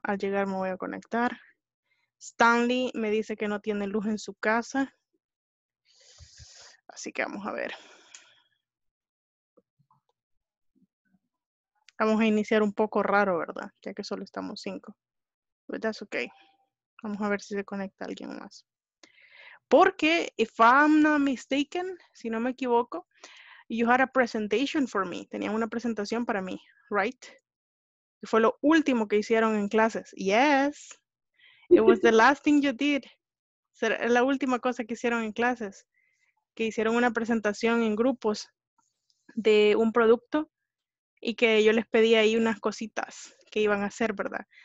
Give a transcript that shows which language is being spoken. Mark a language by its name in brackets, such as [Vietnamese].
[Spanish] Al llegar me voy a conectar. Stanley me dice que no tiene luz en su casa. Así que vamos a ver. Vamos a iniciar un poco raro, ¿verdad? Ya que solo estamos 5. [English] But that's okay. [Spanish] Vamos a ver si se conecta alguien más. [English] Porque, if I'm not mistaken, [Spanish] si no me equivoco, [English] you had a presentation for me. [Spanish] Tenían una presentación para mí, right? Y fue lo último que hicieron en clases. [English] Yes. It was the last thing you did. [Spanish] Será la última cosa que hicieron en clases. Que hicieron una presentación en grupos de un producto y que yo les pedí ahí unas cositas que iban a hacer, ¿verdad?